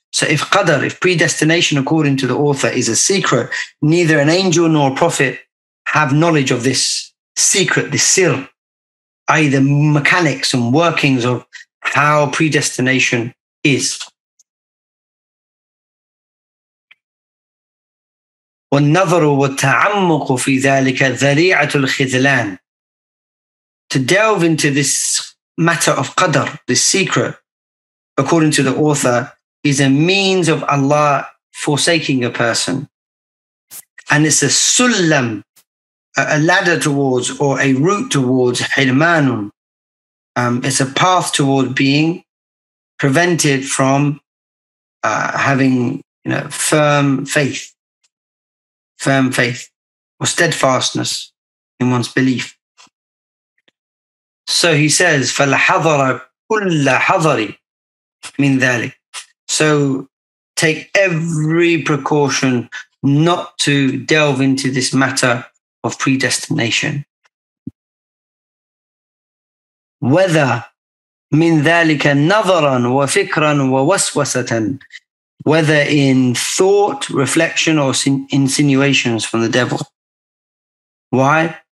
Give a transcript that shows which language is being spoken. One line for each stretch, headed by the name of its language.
English: So if qadr, if predestination according to the author is a secret, neither an angel nor a prophet have knowledge of this secret, this sir, i.e. the mechanics and workings of how predestination is.
Arabic: والنظر والتعمق في ذلك ذريعة الخذلان.
English: To delve into this matter of qadr, this secret, according to the author, is a means of Allah forsaking a person. And it's a sullam, a ladder towards, or a route towards, hirmanun. It's a path toward being prevented from having, you know, firm faith, or steadfastness in one's belief. So he says,
Arabic: فَالْحَضَرَ كُلَّ حَضَرِ مِنْ ذَلِكَ.
English: So take every precaution not to delve into this matter of predestination. Whether
Arabic: مِنْ ذَلِكَ نَظَرًا وَفِكْرًا وَوَسْوَسَةً,
English: whether in thought, reflection, or insinuations from the devil. Why?